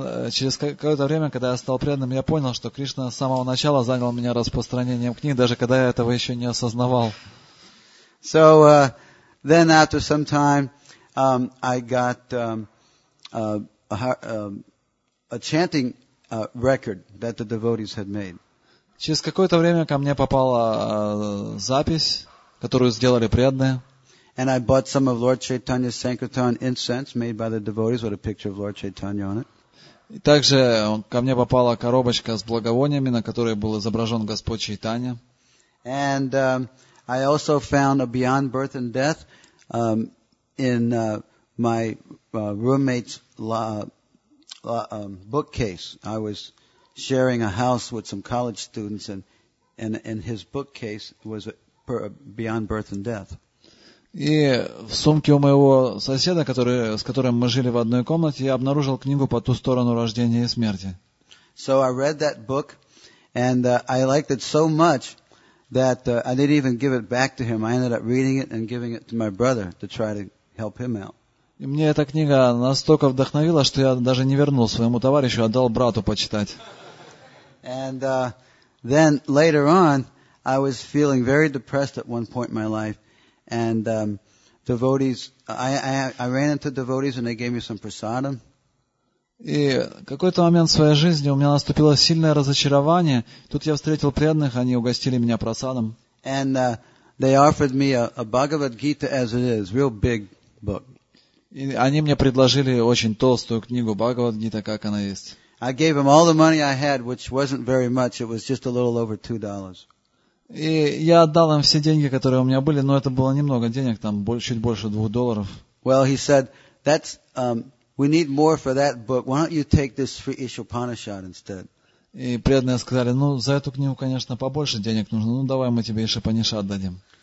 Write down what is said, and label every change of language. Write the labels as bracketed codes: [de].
[ru] Через какое-то время, когда я стал преданным, я понял, что Кришна с самого начала занял меня распространением книг, даже когда я этого еще не осознавал. [en] So, then after some time, I got a chanting record that the devotees had made. [ru] Через какое-то время ко мне попала запись, которую сделали преданные. [en] And I bought some of Lord Chaitanya's Sankirtan incense made by the devotees with a picture of Lord Chaitanya on it. [ru] И также ко мне попала коробочка с благовониями, на которой был изображен Господь Чайтанья. [en] And I also found a Beyond Birth and Death in my roommate's bookcase. I was sharing a house with some college students, and And his bookcase was beyond birth and death. [ru] И в сумке у моего соседа, с которым мы жили в одной комнате, я обнаружил книгу «По ту сторону рождения и смерти». [en] So I read that book, and I liked it so much that I didn't even give it back to him. I ended up reading it and giving it to my brother to try to help him out. [ru] И мне эта книга настолько вдохновила, что я даже не вернул своему товарищу, а дал брату почитать. [en] And then later on, I was feeling very depressed at one point in my life. And devotees, I ran into devotees and they gave me some prasadam. [ru] И какой-то момент в своей жизни у меня наступило сильное разочарование. Тут я встретил преданных, они угостили меня прасадом. [en] And they offered me a Bhagavad Gita as it is, real big book. [ru] И они мне предложили очень толстую книгу Бхагавад Гита, как она есть. [en] I gave them all the money I had, which wasn't very much. It was just a little over $2. [ru] И я отдал им все деньги, которые у меня были, но это было немного денег, там чуть больше $2. [en] Well, he said, that's we need more for that book. Why don't you take this free issue Upanishad instead? [ru] И преданные сказали, ну за эту книгу, конечно, побольше денег нужно. Ну давай мы тебе еще Панишад дадим.